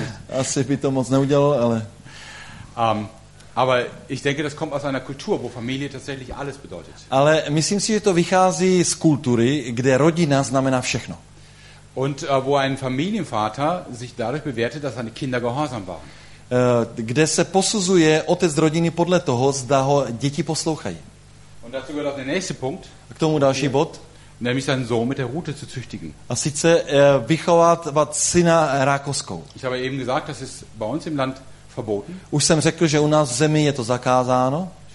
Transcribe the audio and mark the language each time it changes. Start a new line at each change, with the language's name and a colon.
Czech: asi by to moc neudělalo, ale...
German: Aber ich denke, das kommt aus einer Kultur, wo Familie tatsächlich alles bedeutet.
Czech: Ale myslím si, že to vychází z kultury, kde rodina znamená všechno.
German: Und wo ein Familienvater sich dadurch bewertet, dass seine Kinder gehorsam waren.
Czech: Kde se posuzuje otec rodiny podle toho, zda ho děti poslouchají.
German: Und dazu gehört auch der nächste Punkt.
Czech: K tomu další bod.
German: Nämlich seinen Sohn mit der Rute zu züchtigen.
Czech: A sice vychovávat syna rákoskou.
German: Ich habe eben gesagt, das ist bei uns im Land verboten.
Czech: Už jsem řekl, že u nás v zemi je to zakázáno.